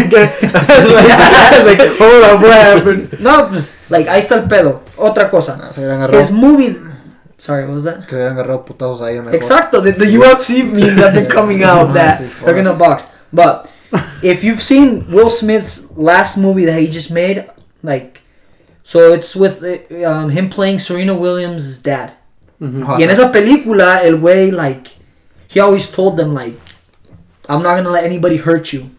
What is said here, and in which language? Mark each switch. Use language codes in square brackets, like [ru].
[en] like, hold up, what happened? [es] No, pues, [en] like, [es] ahí está el pedo. Otra cosa. [en] His movie... Sorry, what was that? [es] Que habían agarrado putados ahí. Exacto, [en] the UFC meme that they're coming out that they're gonna box. But if you've seen Will Smith's last movie that he just made, like, so it's with him playing Serena Williams' dad. Mm-hmm. [es] Y en esa película, el güey, [en] like, he always told them, like, I'm not gonna let anybody hurt you.